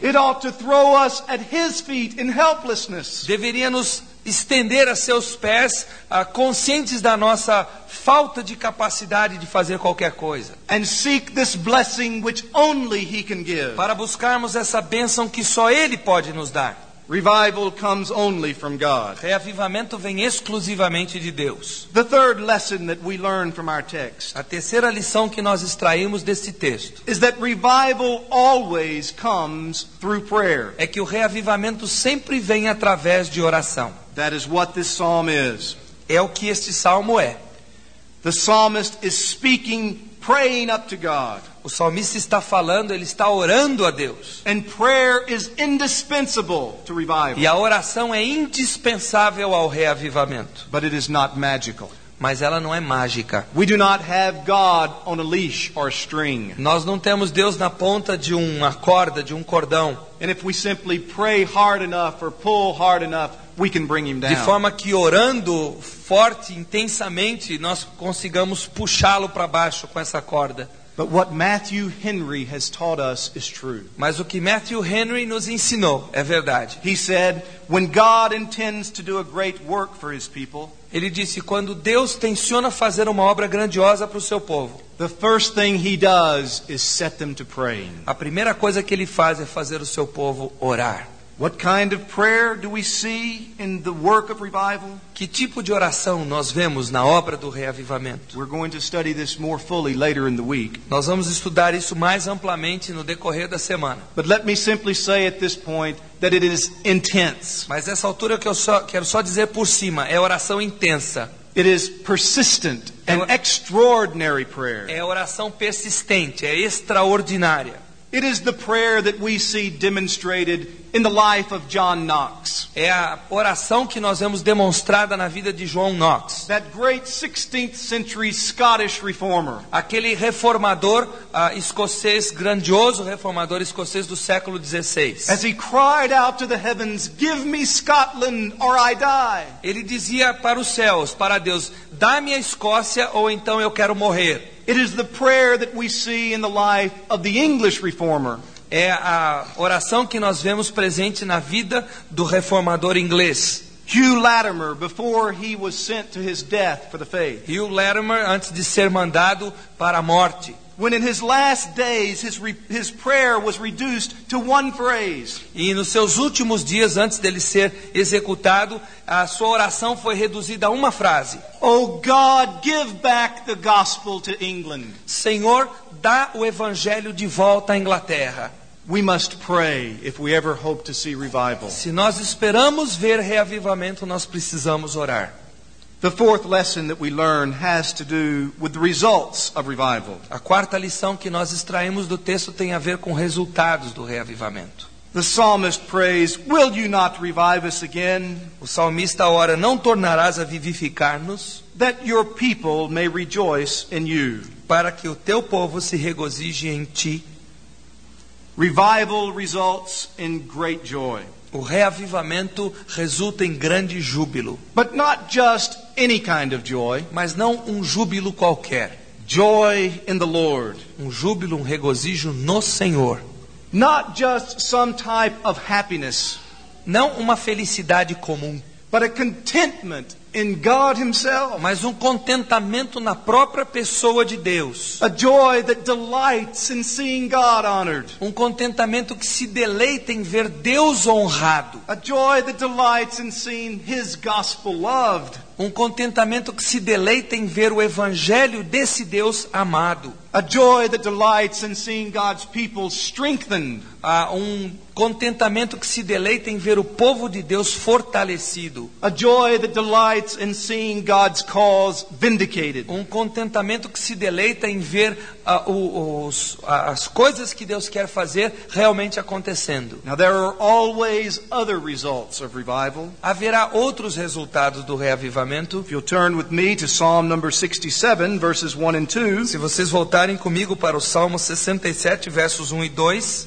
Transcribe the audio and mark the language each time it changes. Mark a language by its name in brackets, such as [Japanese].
[English] It ought to throw us at His feet in helplessness. [Portuguese] Deveria nos estender a seus pés, conscientes da nossa falta de capacidade de fazer qualquer coisa. [English] And seek this blessing which only He can give. [Portuguese] Para buscarmos essa bênção que só Ele pode nos dar. [English] Revival comes only from God. [Portuguese] Reavivamento vem exclusivamente de Deus. [English] The third lesson that we learn from our text. [Portuguese] A terceira lição que nós extraímos deste texto. [English] Is that revival always comes through prayer. [Portuguese] É que o reavivamento sempre vem através de oração. [English] That is what this psalm is. [Portuguese] É o que este salmo é. [English] The psalmist is speaking, praying up to God. [Portuguese] O salmista está falando, ele está orando a Deus. [English] And prayer is indispensable to revival. [Portuguese] E a oração é indispensável ao reavivamento. [English] But it is not magical. [Portuguese] Mas ela não é mágica. [English] We do not have God on a leash or a string. [Portuguese] Nós não temos Deus na ponta de uma corda, de um cordão. [English] And if we simply pray hard enough or pull hard enough, we can bring him down. [Portuguese] De forma que orando forte, intensamente, nós consigamos puxá-lo para baixo com essa corda. [English] But what Matthew Henry has taught us is true. [Portuguese] Mas o que Matthew Henry nos ensinou é verdade. [English] He said, when God intends to do a great work for his people, [Portuguese] ele disse, quando Deus tenciona fazer uma obra grandiosa para o seu povo, [English] the first thing he does is set them to praying. [Portuguese] A primeira coisa que ele faz é fazer o seu povo orar. [English] What kind of prayer do we see in the work of revival? [Portuguese] Que tipo de oração nós vemos na obra do reavivamento? [English] We're going to study this more fully later in the week. [Portuguese] Nós vamos estudar isso mais amplamente no decorrer da semana. [English] But let me simply say at this point that it is intense. [Portuguese] Mas nessa altura que eu só quero só dizer por cima, é oração intensa. [English] It is persistent and extraordinary prayer. [Portuguese] É oração persistente, é extraordinária. [English] It is the prayer that we see demonstrated in the life of John Knox. [Portuguese] É a oração que nós vemos demonstrada na vida de João Knox. [English] That great 16th century Scottish reformer. [Portuguese] Aquele reformador escocês, grandioso reformador escocês do século 16. [English] As he cried out to the heavens, "Give me Scotland or I die." [Portuguese] Ele dizia para os céus, para Deus, "Dá-me a Escócia ou então eu quero morrer." [English] It is the prayer that we see in the life of the English reformer. [Portuguese] É a oração que nós vemos presente na vida do reformador inglês. [English] Hugh Latimer, before he was sent to his death for the faith. [Portuguese] Hugh Latimer, antes de ser mandado para a morte. [English] When in his last days his prayer was reduced to one phrase. [Portuguese] E nos seus últimos dias antes dele ser executado, a sua oração foi reduzida a uma frase. [English] Oh God, give back the gospel to England. [Portuguese] Senhor, dá o evangelho de volta à Inglaterra. [English] We must pray if we ever hope to see revival. [Portuguese] Se nós esperamos ver reavivamento, nós precisamos orar. [English] The fourth lesson that we learn has to do with the results of revival. [Portuguese] A quarta lição que nós extraímos do texto tem a ver com resultados do reavivamento. [English] The psalmist prays, "Will you not revive us again?" [Portuguese] O salmista ora, "Não tornarás a vivificar-nos?" [English] "That your people may rejoice in you." [Portuguese] Para que o teu povo se regozije em ti. [English] Revival results in great joy. [Portuguese] O reavivamento resulta em grande júbilo. [English] But not just any kind of joy. [Portuguese] Mas não um júbilo qualquer. [English] Joy in the Lord. [Portuguese] Um júbilo, um regozijo no Senhor. [English] Not just some type of happiness. [Portuguese] Não uma felicidade comum. [English] But a contentment in God himself. [Portuguese] Mas um contentamento na própria pessoa de Deus. [English] A joy that delights in seeing God honored. [Portuguese] Um contentamento que se deleita em ver Deus honrado. [English] A joy that delights in seeing his gospel loved. [Portuguese] Um contentamento que se deleita em ver o evangelho desse Deus amado. [English] A joy that delights in seeing God's people strengthened. [Portuguese] Um contentamento que se deleita em ver o povo de Deus fortalecido. [English] A joy that delights in seeing God's cause vindicated. [Portuguese] Um contentamento que se deleita em ver as coisas que Deus quer fazer realmente acontecendo. [English] Now there are always other results of revival. [Portuguese] Haverá outros resultados do reavivamento. [English] If you'll turn with me to Psalm number 67, verses 1 and 2. [Portuguese] Se vocês voltarem comigo para o Salmo 67, versos 1 e 2.